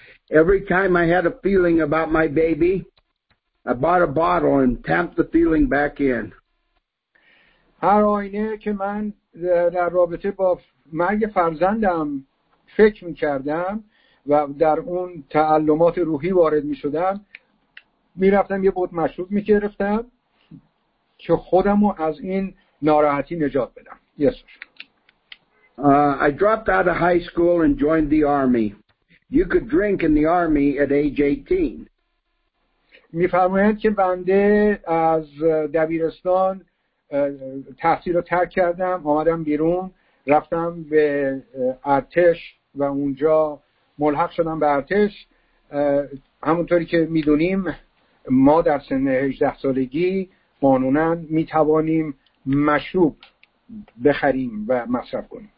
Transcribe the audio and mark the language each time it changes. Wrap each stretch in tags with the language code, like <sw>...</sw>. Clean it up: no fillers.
<en>Every time I had a feeling about my baby, I bought a bottle and tamped the feeling back in.</en> <fa>هر آینه که من در رابطه با مرگ فرزندم فکر می‌کردم و در اون تعلمات روحی وارد می‌شدم، می‌رفتم یه بوت مشروب می‌گرفتم که خودم رو از این ناراحتی نجات بدم.</fa> <en>Yes. I dropped out of high school and joined the army. You could drink in the army at age 18.</en> <fa>می‌فرمایند که بنده از دبیرستان تحصیل رو ترک کردم، آمدم بیرون، رفتم به ارتش و اونجا ملحق شدم به ارتش. همونطوری که می‌دونیم ما در سن 18 سالگی قانوناً می‌توانیم مشروب بخریم و مصرف کنیم.</fa>